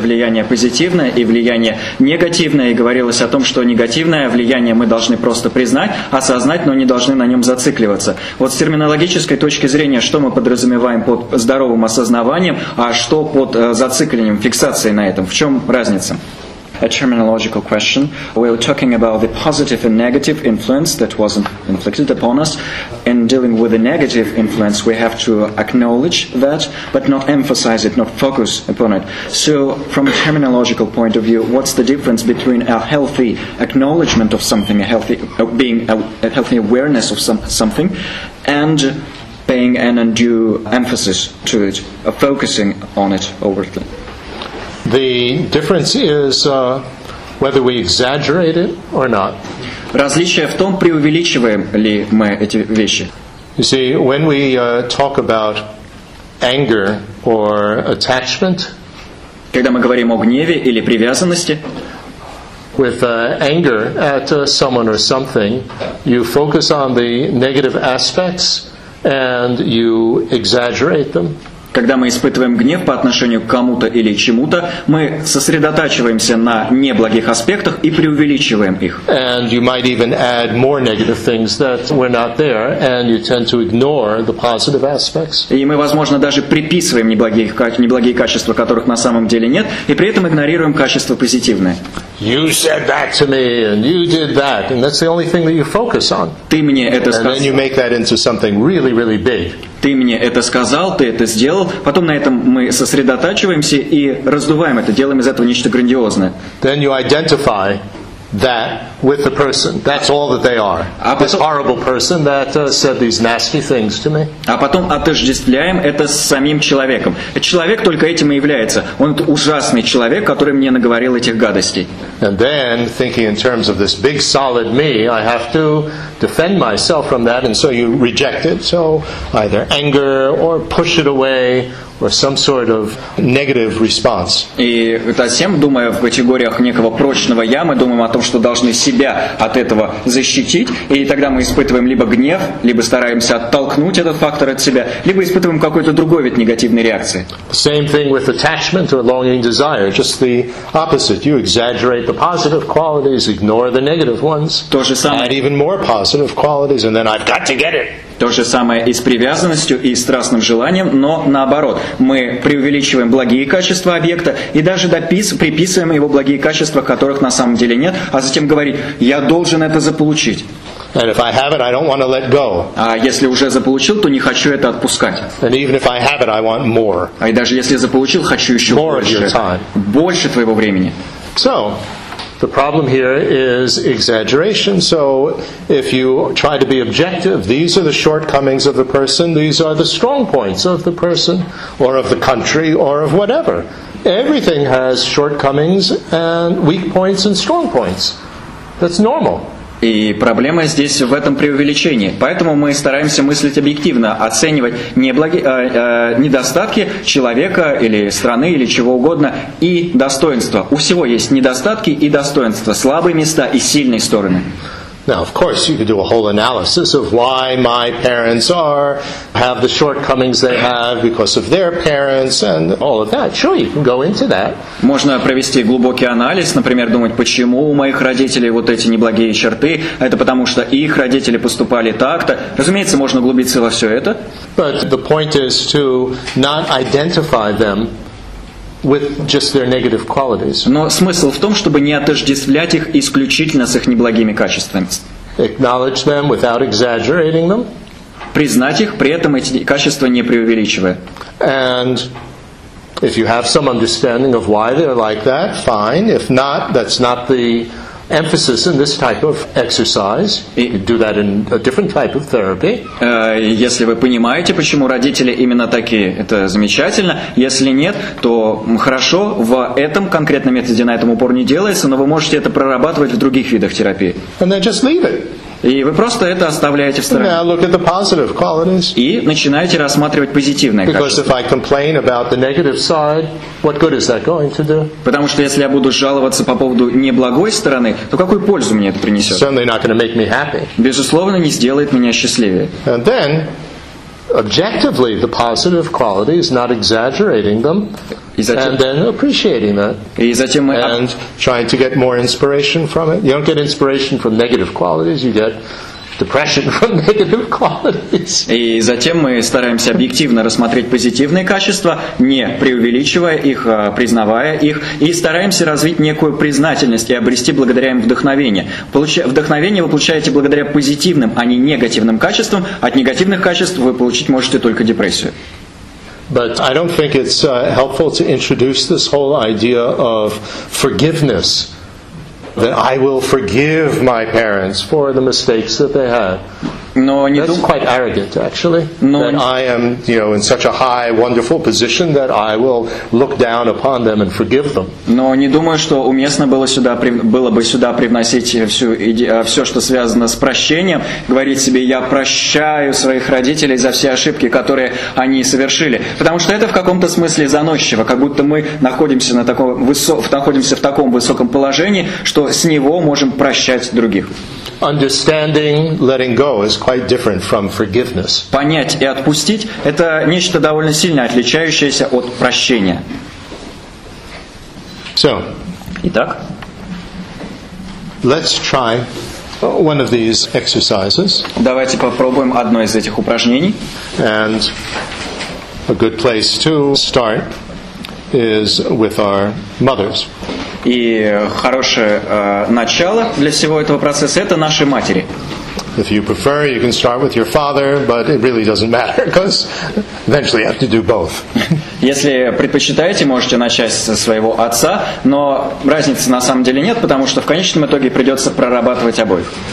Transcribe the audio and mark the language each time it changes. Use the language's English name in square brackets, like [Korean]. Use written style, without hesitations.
[Russian] Влияние позитивное и влияние негативное. И говорилось о том, что негативное влияние мы должны просто признать, осознать, но не должны на нем зацикливаться. Вот с терминологической точки зрения, что мы подразумеваем под здоровым осознаванием, а что под зацикливанием, фиксацией на этом? В чем разница? [English] a terminological question. We were talking about the positive and negative influence that wasn't inflicted upon us. In dealing with the negative influence, we have to acknowledge that, but not emphasize it, not focus upon it. So from a terminological point of view, what's the difference between a healthy acknowledgement of something, a healthy being, a healthy awareness of something, and paying an undue emphasis to it, focusing on it overtly? The difference is whether we exaggerate it or not. [Russian] Различие в том, преувеличиваем ли мы эти вещи. [English] You see, when we talk about anger or attachment, [Russian] когда мы говорим о гневе или привязанности, [English] with anger at someone or something, you focus on the negative aspects and you exaggerate them. [Russian] Когда мы испытываем гнев по отношению к кому-то или чему-то, мы сосредотачиваемся на неблагих аспектах и преувеличиваем их. [English] And you might even add more negative things that were not there, and you tend to ignore the positive aspects. [Russian] И мы, возможно, даже приписываем неблагие качества, которых на самом деле нет, и при этом игнорируем качества позитивные. [English] You said that to me, and you did that, and that's the only thing that you focus on. [Russian] Ты мне это сказал. [English] And then you make that into something really, really big. [Russian] Ты мне это сказал, ты это сделал. Потом на этом мы сосредотачиваемся и раздуваем это, делаем из этого нечто грандиозное. [English] Then you identify that with the person. That's all that they are. This horrible person that said these nasty things to me. [Russian] А потом отождествляем это с самим человеком. Человек только этим и является. Он ужасный человек, который мне наговорил этих гадостей. [English] And then, thinking in terms of this big solid me, I have to defend myself from that, and so you reject it. So either anger or push it away, or some sort of negative response. [Russian] И затем, думая в категориях некого прочного я, мы думаем о том, что должны себя от этого защитить, и тогда мы испытываем либо гнев, либо стараемся оттолкнуть этот фактор от себя, либо испытываем какой-то другой вид негативной реакции. [English] Same thing with attachment or longing desire, just the opposite. You exaggerate the positive qualities, ignore the negative ones. [Russian] То же самое. [English] Add even more positive qualities, and then I've got to get it. [Russian] То же самое и с привязанностью, и страстным желанием, но наоборот. Мы преувеличиваем благие качества объекта и даже приписываем его благие качества, которых на самом деле нет, а затем говорить: «Я должен это заполучить». А если уже заполучил, то не хочу это отпускать. А даже если заполучил, хочу еще больше. Больше твоего времени. [English] The problem here is exaggeration. So if you try to be objective, these are the shortcomings of the person, these are the strong points of the person, or of the country, or of whatever. Everything has shortcomings and weak points and strong points. That's normal. [Russian] И проблема здесь в этом преувеличении. Поэтому мы стараемся мыслить объективно, оценивать недостатки человека или страны, или чего угодно, и достоинства. У всего есть недостатки и достоинства, слабые места и сильные стороны. [English] Now, of course, you could do a whole analysis of why my parents have the shortcomings they have because of their parents and all of that. Sure, you can go into that. [Russian] Можно провести глубокий анализ, например, думать, почему у моих родителей вот эти неблагие черты, это потому что их родители поступали так-то. Разумеется, можно углубиться во все это. [English] But the point is to not identify them with just their negative qualities. [Russian] Но смысл в том, чтобы не отождествлять их исключительно с их неблагими качествами. [English] Acknowledge them without exaggerating them. [Russian] Признать их, при этом эти качества не преувеличивая. [English] And if you have some understanding of why they're like that, fine. If not, that's not the emphasis in this type of exercise. You do that in a different type of therapy. [Russian] Если вы понимаете, почему родители именно такие, это замечательно. Если нет, то хорошо, в этом конкретном методе на этом упор не делается, но вы можете это прорабатывать в других видах терапии. [English] And then just leave it. [Russian] И вы просто это оставляете в стороне. [English] Now look at the positive qualities. [Russian] И начинаете рассматривать позитивные качества. [English] Because if I complain about the negative side, what good is that going to do? [Russian] Потому что если я буду жаловаться по поводу неблагой стороны, то какую пользу мне это принесет? [English] Certainly not going to make me happy. [Russian] Безусловно, не сделает меня счастливее. [English] And then, objectively, the positive qualities, not exaggerating them, and then appreciating that, and trying to get more inspiration from it. You don't get inspiration from negative qualities, you get depression from negative qualities. [Russian] И затем мы стараемся объективно рассмотреть позитивные качества, не преувеличивая их, признавая их, и стараемся развить некую признательность и обрести благодаря им вдохновение. Вдохновение вы получаете благодаря позитивным, а не негативным качествам. От негативных качеств вы получить можете только депрессию. [English] But I don't think it's helpful to introduce this whole idea of forgiveness. That I will forgive my parents for the mistakes that they had. [Russian] Но не [English] That's quite arrogant, actually. [Russian] Но [English] that I am, you know, in such a high, wonderful position that I will look down upon them and forgive them. [Russian] Но не думаю, что уместно было сюда было бы сюда привносить всю все, что связано с прощением, говорить себе, я прощаю своих родителей за все ошибки, которые они совершили, потому что это в каком-то смысле заносчиво, как будто мы находимся на таком находимся в таком высоком положении, что с него можем прощать других. [English] Understanding, letting go is quite different from forgiveness. [Russian] Понять и отпустить — это нечто довольно сильно отличающееся от прощения. [English] So, [Russian] итак, [English] let's try one of these exercises. [Russian] Давайте попробуем одно из этих упражнений. [English] And a good place to start is with our mothers. [Russian] И хорошее начало для всего этого процесса — это наши матери. [English] If you prefer, you can start with your father, but it really doesn't matter, because eventually you have to do both. [Russian] Если предпочитаете, можете начать со своего отца, но разницы на самом деле нет, потому что в конечном итоге придется прорабатывать обоих.